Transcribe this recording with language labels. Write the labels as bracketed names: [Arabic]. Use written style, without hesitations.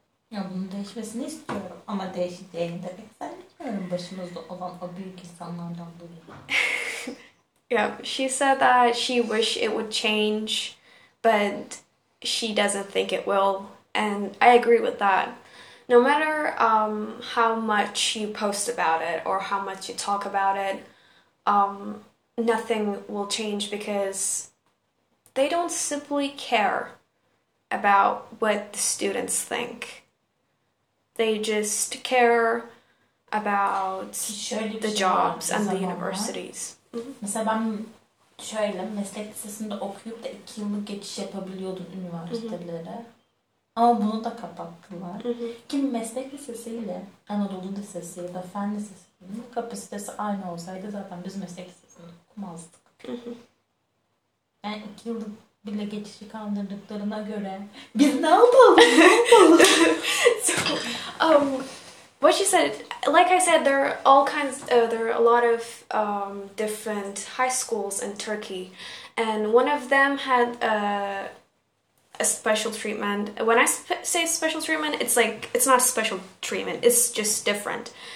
[Turkish] Ya bunu değişmesini istiyorum ama değişeceğini de pek zannetmiyorum başımızda olan o büyük insanlardan dolayı. [English] Yeah, she said that she wish it would change, but she doesn't think it will. And I agree with that. No matter how much you post about it or how much you talk about it, nothing will change because they don't simply care about what the students think. They just care about the jobs and the universities. [Turkish] Mesela ben Şöyle meslek lisesinde okuyup da 2 yıllık geçiş yapabiliyordun üniversitelere. Ama bunu da kapattılar. Kim meslek lisesiyle Anadolu Lisesi ya da Fen Lisesi'nin kapasitesi aynı olsaydı zaten biz meslek lisesini okumazdık. Yani 2 yıllık bile geçişi kandırdıklarına göre biz ne yapalım, ne yapalım? [English] What you said, like I said, there are all kinds, there are a lot of different high schools in Turkey, and one of them had a special treatment. When I say special treatment, it's like, it's not a special treatment, it's just different.